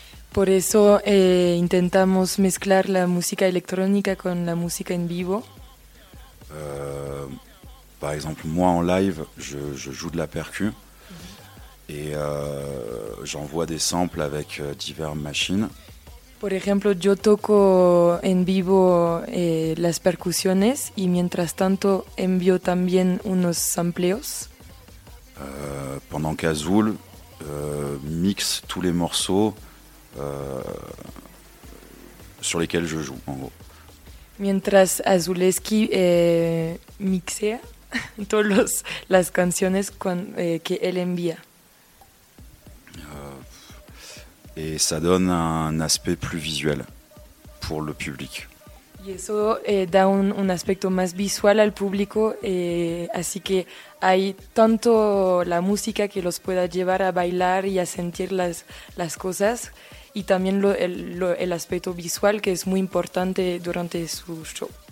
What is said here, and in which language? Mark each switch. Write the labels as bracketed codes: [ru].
[es] Por eso intentamos mezclar la música electrónica con la música en vivo. [fr] Par exemple, moi en live, je joue de la percu et j'envoie des samples avec diverses machines. [es] Por ejemplo, yo toco en vivo las percusiones y mientras tanto envío también unos sampleos. [fr] Pendant qu'Azul mixe tous les morceaux sur lesquels je joue, en gros. [es] Mientras Azuleski mixea todas las canciones que él envía. [fr] Et ça donne un aspect plus visuel pour le public. [es] Y eso da un aspecto más visual al público, así que hay tanto la música que los pueda llevar a bailar y a sentir las cosas, y también el aspecto visual que es muy importante durante su show.